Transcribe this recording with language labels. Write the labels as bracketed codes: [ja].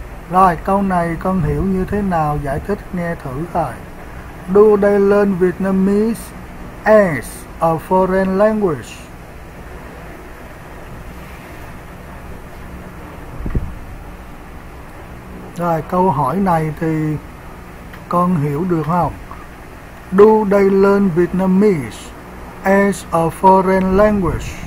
[vi] Rồi, câu này con hiểu như thế nào? Giải thích nghe thử rồi. [en] Do they learn Vietnamese as a foreign language? [vi] Rồi, câu hỏi này thì con hiểu được không? [en] Do they learn Vietnamese as a foreign language?